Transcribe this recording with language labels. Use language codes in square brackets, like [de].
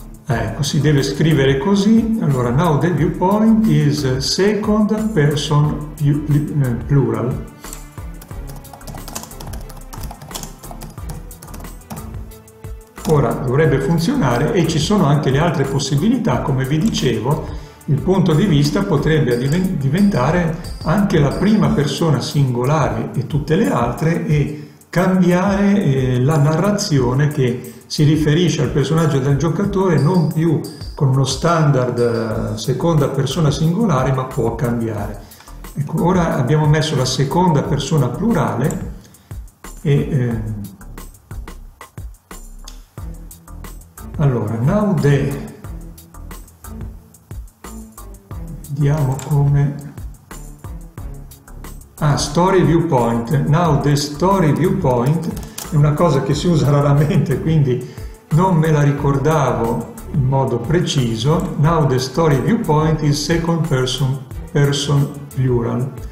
[it] Ecco, si deve scrivere così. [en] Allora, now the viewpoint is second person plural. [it] Ora dovrebbe funzionare e ci sono anche le altre possibilità, come vi dicevo, il punto di vista potrebbe diventare anche la prima persona singolare e tutte le altre, e cambiare la narrazione che si riferisce al personaggio del giocatore non più con uno standard seconda persona singolare, ma può cambiare. Ecco, ora abbiamo messo la seconda persona plurale e allora [en] now the, [it] vediamo come. Ah, [en] story viewpoint. Now the story viewpoint [it] è una cosa che si usa raramente, quindi Non me la ricordavo in modo preciso. [en] Now the story viewpoint is second person, person plural.